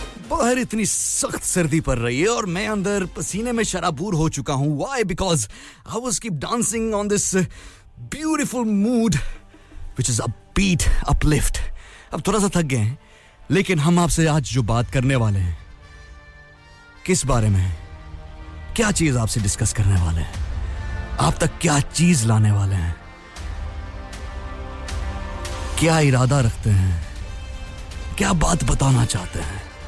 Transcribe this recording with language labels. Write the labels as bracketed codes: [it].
[hi] बाहर इतनी सख्त सर्दी पड़ रही है और मैं अंदर पसीने में शराबूर हो चुका हूँ. [en] Why? Because I was keep dancing on this beautiful mood, which is upbeat, uplift. [hi] अब थोड़ा सा थक गए हैं, लेकिन हम आपसे आज जो बात करने वाले हैं, किस बारे में, क्या चीज आपसे डिस्कस करने वाले हैं, आप तक क्या चीज लाने वाले हैं, क्या इरादा रखते हैं, क्या बात बताना चाहते हैं.